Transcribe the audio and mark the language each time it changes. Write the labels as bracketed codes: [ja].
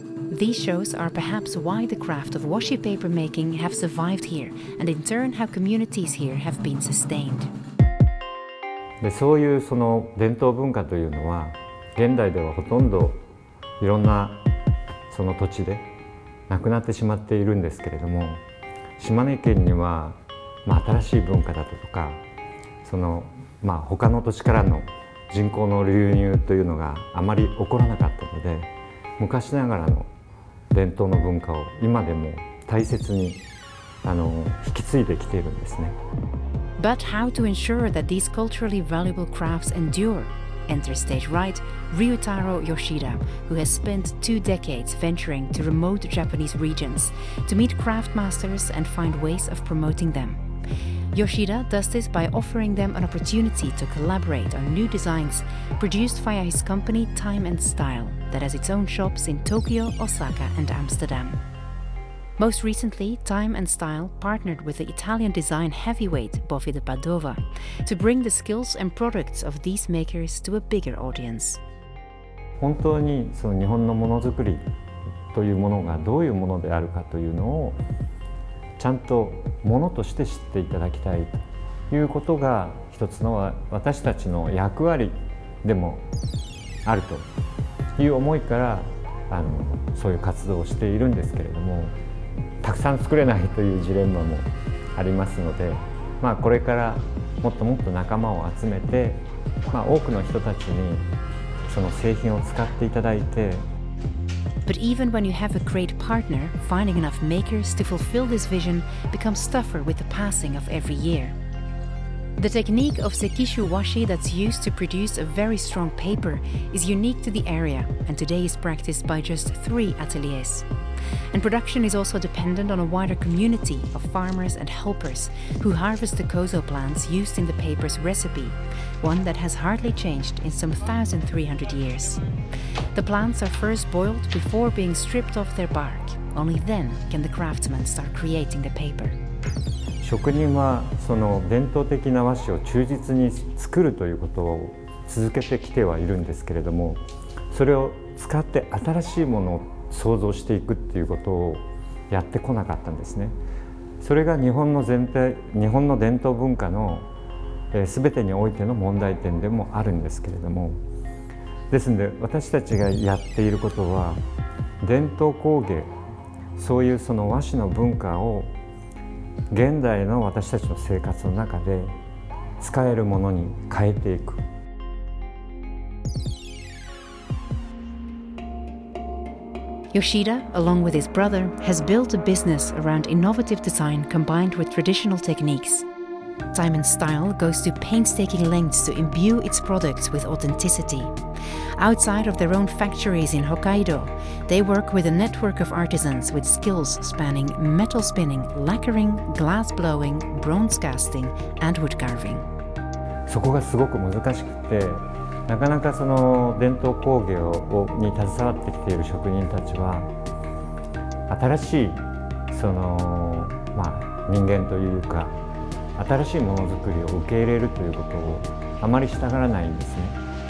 [en] These shows are perhaps why the craft of washi paper making have survived here, and in turn how communities here have been sustained. So, this traditional culture is almost entirely in different places. [ja] なくなってしまっているんですけれども、島根県には、まあ、新しい文化だとか、その、まあ、他の土地からの人口の流入というのがあまり起こらなかったので、昔ながらの伝統の文化を今でも大切に引き継いできているんですね。 [en] But how to ensure that these culturally valuable crafts endure? Enter stage right, Ryutaro Yoshida, who has spent two decades venturing to remote Japanese regions to meet craft masters and find ways of promoting them. Yoshida does this by offering them an opportunity to collaborate on new designs produced via his company Time and Style, that has its own shops in Tokyo, Osaka and Amsterdam. Most recently, Time and Style partnered with the Italian design heavyweight Boffi de Padova to bring the skills and products of these makers to a bigger audience. [ja] 本当にその日本のものづくりというものがどういうものであるかというのをちゃんとものとして知っていただきたいということが一つの私たちの役割でもあるという思いからそういう活動をしているんですけれども。たくさん作れないというジレンマもありますので、まあ、これからもっともっと仲間を集めて、まあ、多くの人たちにその製品を使っていただいて。 [en] But even when you have a great partner, finding enough makers to fulfill this vision becomes tougher with the passing of every year. The technique of sekishu washi that's used to produce a very strong paper is unique to the area and today is practiced by just three ateliers. And production is also dependent on a wider community of farmers and helpers who harvest the kozo plants used in the paper's recipe, one that has hardly changed in some 1,300 years. The plants are first boiled before being stripped off their bark. Only then can the craftsmen start creating the paper. [ja] 職人はその伝統的な和紙を忠実に作るということを続けてきてはいるんですけれども、それを使って新しいものを想像していくっていうことをやってこなかったんですね。それが日本の伝統文化の全てにおいての問題点でもあるんですけれども、ですので私たちがやっていることは伝統工芸、そういうその和紙の文化を現代の私たちの生活の中で使えるものに変えていく。 [en] Yoshida, along with his brother, has built a business around innovative design combined with traditional techniques. Time and Style goes to painstaking lengths to imbue its products with authenticity. Outside of their own factories in Hokkaido, they work with a network of artisans with skills spanning metal spinning, lacquering, glass blowing, bronze casting, and wood carving. [ja] そこがすごく難しくて、なかなかその伝統工芸に携わってきている職人たちは新しいその、まあ、人間というか新しいものづくりを受け入れるということをあまりしたがらないんですね。